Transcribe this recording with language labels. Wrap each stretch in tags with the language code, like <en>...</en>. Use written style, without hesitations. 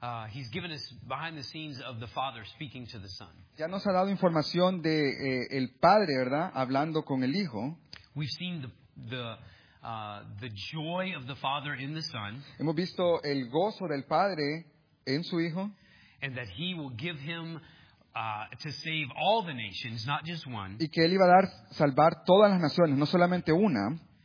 <en>he's given us behind the scenes of the Father speaking to the Son.</en> <es>Ya nos ha dado información de el Padre, ¿verdad? Hablando con el Hijo.</es> <en>We've seen the joy of the Father in the Son.</en> <es>Hemos visto el gozo del Padre en su Hijo.</es> <en>And that He will give Him to save all the nations, not just one.</en> <es>Y que Él iba a dar salvar todas las naciones, no solamente una.</es>